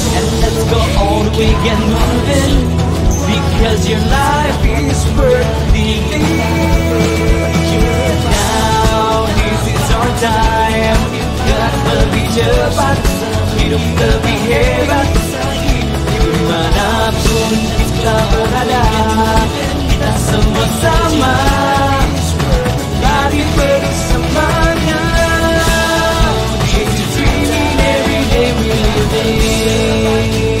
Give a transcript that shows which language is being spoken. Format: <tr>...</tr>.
<en>And let's go all the way and moving, because your life is worth living. Now this is our time.</en> <id>Gerak lebih cepat, hidup lebih hebat. Dimanapun kita berada, kita semua sama. Mari beri semangat.</id> <en>It's a dream in every day we live</en>